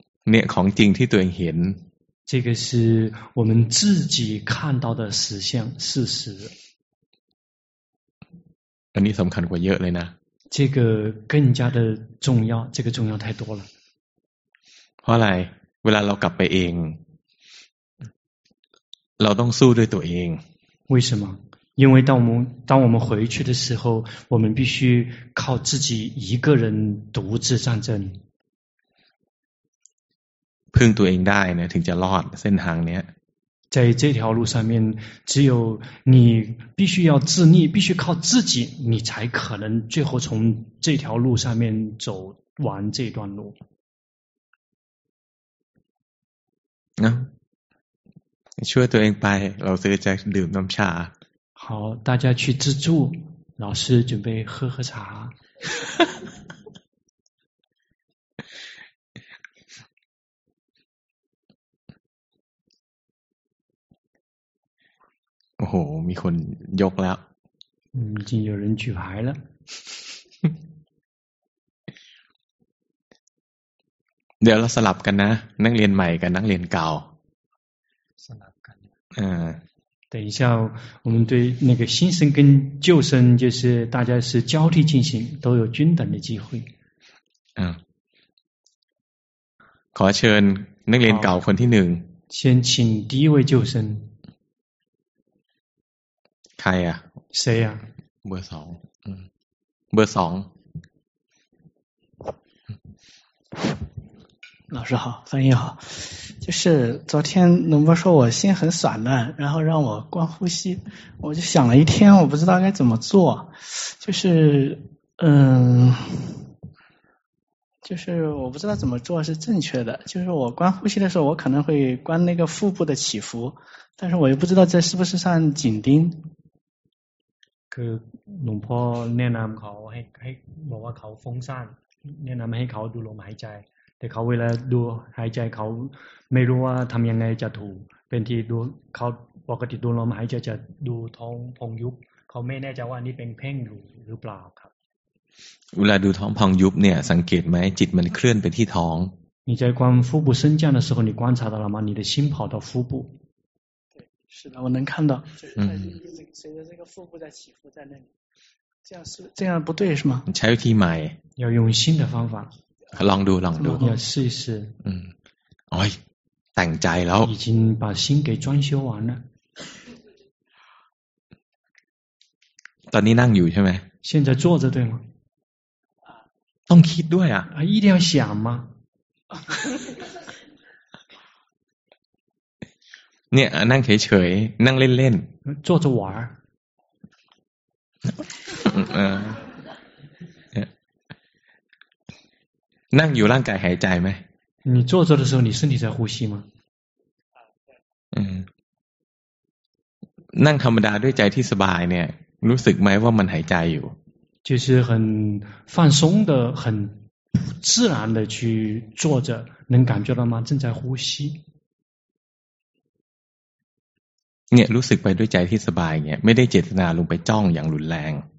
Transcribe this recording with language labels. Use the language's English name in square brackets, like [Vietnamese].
[Thai] เนี่ยของจริงที่ตัวเองเห็น [Chinese] 这个是我们自己看到的实相事实 [Thai] อันนี้สำคัญกว่าเยอะเลยนะ [Chinese] 这个更加的重要这个重要太多了 [Thai] เพราะอะไรเวลาเรากลับไปเองเราต้องสู้ด้วยตัวเอง [Chinese] 为什么因为当我们回去的时候我们必须靠自己一个人独自战争 [Thai] พึ่งตัวเองได้นะถึงจะรอดเส้นทางเนี้ย [Chinese] 在这条路上面只有你必须要自立必须靠自己你才可能最后从这条路上面走完这段路 [Thai] นะช่วยตัวเองไปเราจะดื่มน้ำชา [Chinese] 好大家去自助老师准备喝喝茶 [Thai] โอ้โหมีคนยกแล้ว [Chinese] 已经有人举牌了 [Thai] เดี๋ยวเราสลับกันนะนักเรียนใหม่กับนักเรียนเก่า สลับ [Chinese] 等一下我们对那个新生跟旧生就是大家是交替进行都有均等的机会 [Thai] ขอเชิญนักเรียนเก่าคนที่หนึ่ง [Chinese] 先请第一位旧生 [Thai] ใครอ่ะ [Chinese] 谁 [Thai] อ่ะเบอร์สองเบอร์สอง [Chinese] 老师好翻译好就是昨天龙波说我心很散乱然后让我观呼吸我就想了一天我不知道该怎么做就是我不知道怎么做是正确的就是我观呼吸的时候我可能会观那个腹部的起伏但是我又不知道这是不是算紧盯 [Thai] 그龙波แนะนำเขาให้บอกว่าเขาฟุ้งซ่านแนะนำให้เขาดูลมหายใจแต่เขาเวลาดูหายใจเขาไม่รู้ว่าทำยังไงจะถูกเป็นที่ดูเขาปกติดูลมหายใจจะดูท้องพองยุบเขาไม่แน่ใจว่านี่เป็นเพ่งหรือเปล่าครับ เวลาดูท้องพองยุบเนี่ยสังเกตไหมจิตมันเคลื่อนไปที่ท้อง [Chinese] 你在观腹部升降的时候你观察到了吗你的心跑到腹部对是的我能看到就是随着这个腹部在起伏在那里这样不对是吗 [Thai] ใช้วิธีใหม่ [Chinese] 要用新的方法 [Thai] ลองดู อย่าซื่อสื่ออ้อยแต่งใจแล้ว [Chinese] 已经把心给装修完了 [Thai] ตอนนี้นั่งอยู่ใช่ไหม [Chinese] 现在坐着对吗 [Thai] ต้องคิดด้วยอ่ะ [Chinese] 一定要想吗 [Thai] เนี่ยนั่งเฉยๆนั่งเล่น [Chinese] ๆ坐着玩 [Thai] นั่งอยู่ร่างกายหายใจไหม [Chinese] 你坐着的时候你身体在呼吸吗 [Thai] นั่งธรรมดาด้วยใจที่สบายเนี่ยรู้สึกไหมว่ามันหายใจอยู่ [Chinese] 就是很放松的很自然的去坐着能感觉到吗正在呼吸 [Thai] เนี่ยรู้สึกไปด้วยใจที่สบายเนี่ยไม่ได้เจตนาลงไปจ้องอย่างรุนแรง